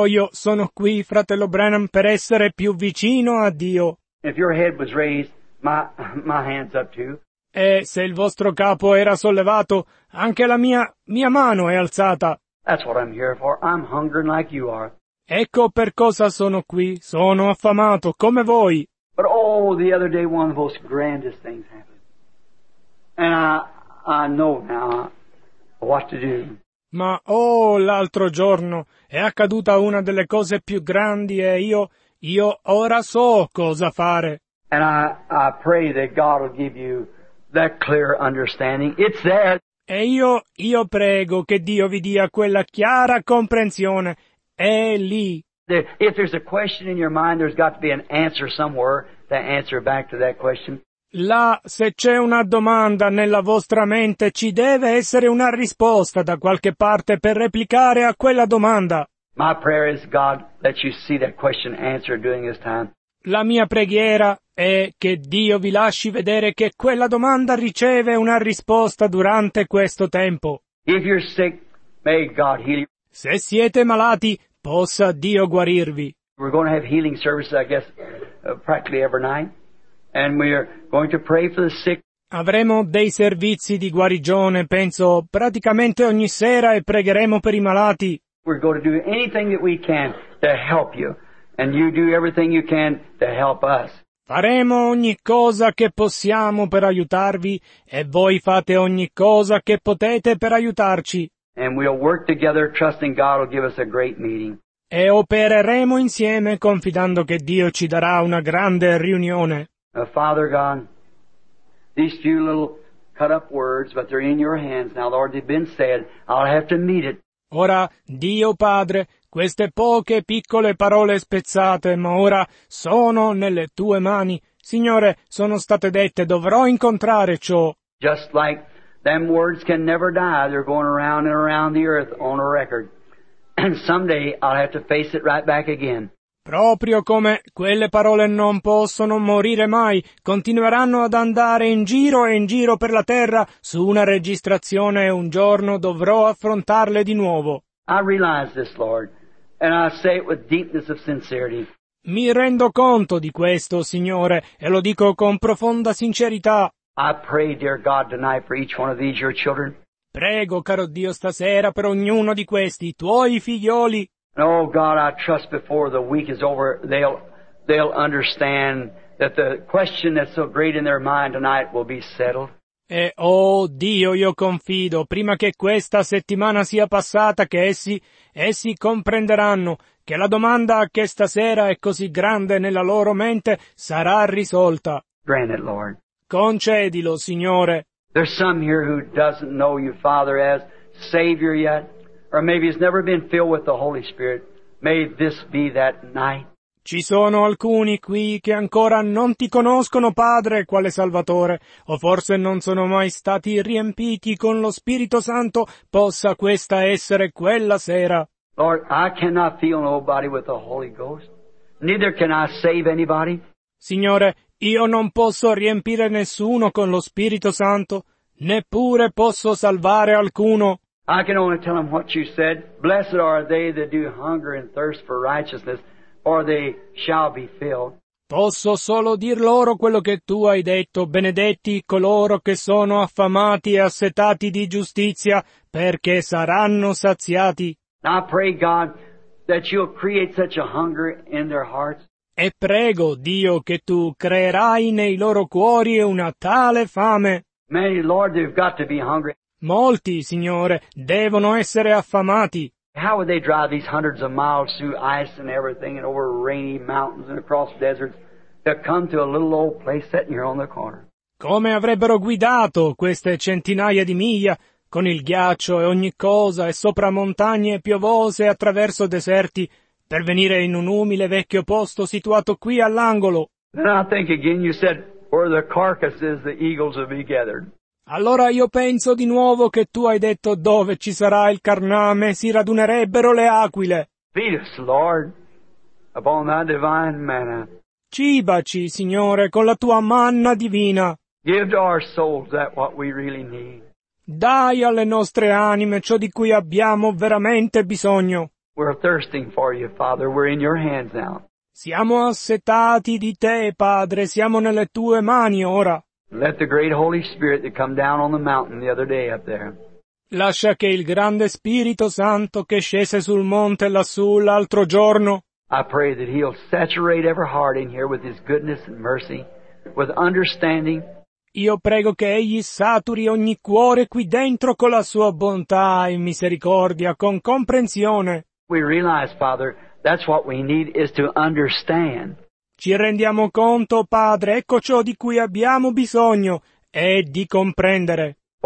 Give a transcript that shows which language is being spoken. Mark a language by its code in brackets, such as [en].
[it] Sono qui, fratello Branham, per essere più vicino a Dio. [en] If your head was raised, my hand's up too. [it] E se il vostro capo era sollevato, anche la mia mano è alzata. [en] That's what I'm here for. I'm hungering like you are. [it] Ecco per cosa sono qui. Sono affamato, come voi. [en] But the other day one of the most grandest things happened. And I know now what to do. [it] Ma, l'altro giorno è accaduta una delle cose più grandi e io ora so cosa fare. [en] And I pray that God will give you that clear understanding. It's there. [it] E io prego che Dio vi dia quella chiara comprensione. È lì. [en] If there's a question in your mind, there's got to be an answer somewhere to answer back to that question. [it] Là, se c'è una domanda nella vostra mente, ci deve essere una risposta da qualche parte per replicare a quella domanda. [en] My prayer is God let you see that question answered during this time. [it] La mia preghiera è che Dio vi lasci vedere che quella domanda riceve una risposta durante questo tempo. [en] If you're sick, may God heal you. [it] Se siete malati, possa Dio guarirvi. [en] We're going to have healing services, I guess, practically every night. And we are going to pray for the sick. [it] Avremo dei servizi di guarigione, penso, praticamente ogni sera e pregheremo per i malati. [en] We're going to do anything that we can to help you, and you do everything you can to help us. [it] Faremo ogni cosa che possiamo per aiutarvi e voi fate ogni cosa che potete per aiutarci. [en] And we'll work together, trusting God will give us a great meeting. [it] E opereremo insieme confidando che Dio ci darà una grande riunione. [en] Father God, these few little cut up words, but they're in your hands now, Lord, they've been said, I'll have to meet it. [it] Ora, Dio Padre, queste poche piccole parole spezzate, ma ora sono nelle tue mani. Signore, sono state dette, dovrò incontrare ciò. [en] Just like them words can never die, they're going around and around the earth on a record. And someday I'll have to face it right back again. [it] Proprio come quelle parole non possono morire mai, continueranno ad andare in giro per la terra su una registrazione e un giorno dovrò affrontarle di nuovo. [en] I realize this, Lord, and I say it with deepness of sincerity. [it] Mi rendo conto di questo, Signore, e lo dico con profonda sincerità. [en] I pray, dear God, tonight for each one of these your children. [it] Prego, caro Dio, stasera per ognuno di questi tuoi figlioli. [en] And oh God, I trust before the week is over they'll understand that the question that's so great in their mind tonight will be settled. [it] E oh Dio, io confido prima che questa settimana sia passata che essi comprenderanno che la domanda che stasera è così grande nella loro mente sarà risolta. [en] Grant it, Lord. [it] Concedilo, Signore. [en] There's some here who doesn't know you, Father, as Savior yet. Or maybe he's never been filled with the Holy Spirit. May this be that night. [it] Ci sono alcuni qui che ancora non ti conoscono, Padre, quale Salvatore, o forse non sono mai stati riempiti con lo Spirito Santo. Possa questa essere quella sera. [en] Lord, I cannot fill nobody with the Holy Ghost. Neither can I save anybody. [it] Signore, io non posso riempire nessuno con lo Spirito Santo, neppure posso salvare alcuno. [en] I can only tell them what you said. Blessed are they that do hunger and thirst for righteousness, or they shall be filled. [it] Posso solo dir loro quello che tu hai detto. Benedetti coloro che sono affamati e assetati di giustizia, perché saranno saziati. [en] I pray, God, that you'll create such a hunger in their hearts. [it] E prego, Dio, che tu creerai nei loro cuori una tale fame. [en] Many, Lord, they've got to be hungry. [it] Molti, Signore, devono essere affamati. [en] How would they drive these hundreds of miles through ice and everything and over rainy mountains and across deserts to come to a little old place sitting here on the corner? [it] Come avrebbero guidato queste centinaia di miglia con il ghiaccio e ogni cosa e sopra montagne piovose attraverso deserti per venire in un umile vecchio posto situato qui all'angolo? [en] Then I think again you said, where the carcasses the eagles will be gathered. [it] Allora io penso di nuovo che tu hai detto dove ci sarà il carname si radunerebbero le aquile. [en] Feed us, Lord, upon thy divine manna. [it] Cibaci, Signore, con la tua manna divina. [en] Give to our souls that what we really need. [it] Dai alle nostre anime ciò di cui abbiamo veramente bisogno. [en] We're thirsting for you, Father. We're in your hands now. [it] Siamo assetati di te, Padre. Siamo nelle tue mani ora. [en] Let the great Holy Spirit that come down on the mountain the other day up there. [it] Lascia che il grande Spirito Santo che scese sul monte lassù l'altro giorno. [en] I pray that he'll saturate every heart in here with his goodness and mercy, with understanding. [it] Io prego che egli saturi ogni cuore qui dentro con la sua bontà e misericordia, con comprensione. [en] We realize, Father, that's what we need is to understand. [it] Ci rendiamo conto, Padre, ecco ciò di cui abbiamo bisogno, è di comprendere.